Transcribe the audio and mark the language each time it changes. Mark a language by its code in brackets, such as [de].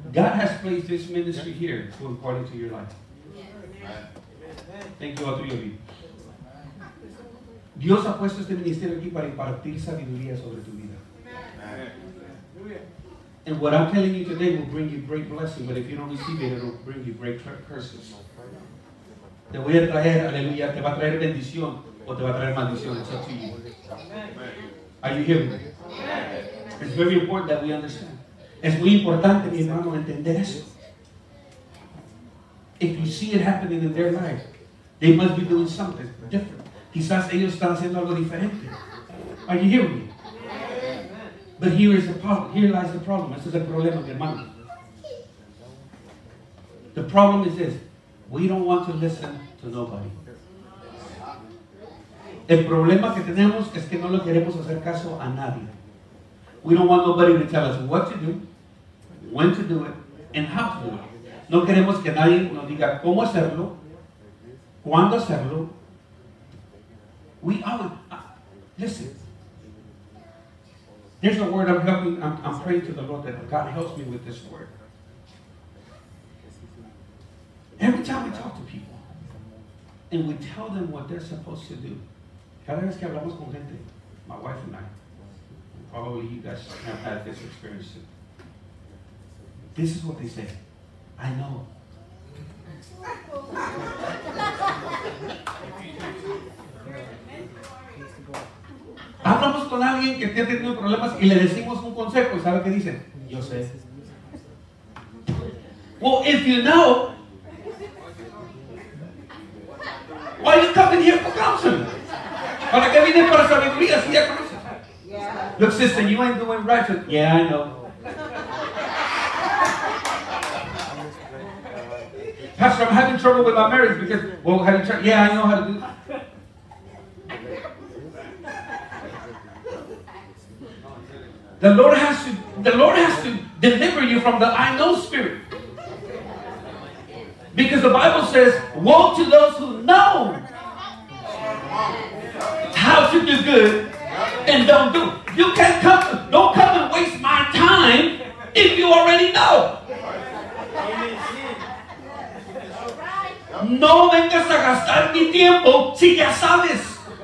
[en] God has placed this ministry here to impart into your life. Thank you, all three of you. [es] Dios ha puesto este ministerio aquí para impartir sabiduría sobre tu vida. [en] And what I'm telling you today will bring you great blessing, but if you don't receive it, it'll bring you great curses. [es] Te voy a traer, aleluya, te va a traer bendición o te va a traer maldición. [en] It's up to you. Are you hearing me? It's very important that we understand. [es] Es muy importante, mi hermano, entender eso. [en] If you see it happening in their life, they must be doing something different. [es] Quizás ellos están haciendo algo diferente. [en] Are you hearing me? But here is the problem. Here lies the problem. This is a problem of your mind. The problem is this. We don't want to listen to nobody. [es] El problema que tenemos es que no le queremos hacer caso a nadie. [en] We don't want nobody to tell us what to do, when to do it, and how to do it. [es] No queremos que nadie nos diga cómo hacerlo, cuándo hacerlo. [en] Listen. There's a word I'm praying to the Lord that God helps me with this word. Every time we talk to people and we tell them what they're supposed to do, [es] cada vez que hablamos con gente, [en] my wife and I, probably you guys have had this experience too. This is what they say. I know. [es] Hablamos con alguien que esté teniendo problemas y le decimos un consejo, y ¿sabe qué dice? Yo sé. [en] Well, if you know, why you coming here for counseling? [es] ¿Para qué vienes para sabiduría si ya conoces? [en] Look, sister, you ain't doing right. So, yeah, I know. Pastor, I'm having trouble with my marriage because, well, have you tried? Yeah, I know how to do that. The Lord has to deliver you from the I know spirit. Because the Bible says, woe to those who know how to do good and don't do. You can't come, don't come and waste my time if you already know. [es] No vengas a gastar mi tiempo si ya sabes.